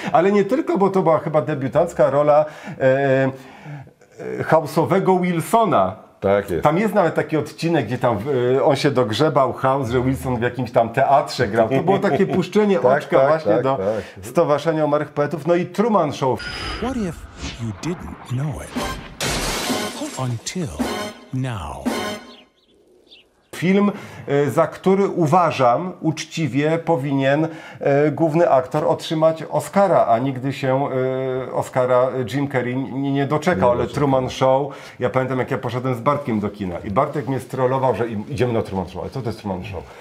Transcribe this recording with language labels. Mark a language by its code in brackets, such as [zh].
[pl] Ale nie tylko, bo to była chyba debiutancka rola House'owego Wilsona. Tak jest. Tam jest nawet taki odcinek, gdzie tam on się dogrzebał, House, że Wilson w jakimś tam teatrze grał. To było takie puszczenie oczka do Stowarzyszenia Umarłych Poetów. No i Truman Show. [en] What if you didn't know it until now? [pl] Film, za który uważam, uczciwie powinien główny aktor otrzymać Oscara, a nigdy się Oscara Jim Carrey nie doczekał, ale Truman Show, ja pamiętam jak ja poszedłem z Bartkiem do kina i Bartek mnie strollował, że idziemy na Truman Show, ale co to jest Truman Show?